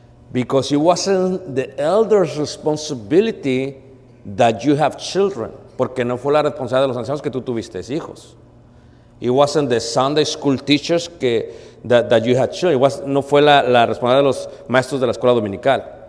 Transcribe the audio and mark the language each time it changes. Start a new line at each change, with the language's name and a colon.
English: Because it wasn't the elder's responsibility that you have children.
Spanish: porque no fue la responsabilidad de los ancianos que tú tuviste hijos.
English: It wasn't the Sunday school teachers that you had children.
Spanish: No fue la responsabilidad de los maestros de la escuela dominical.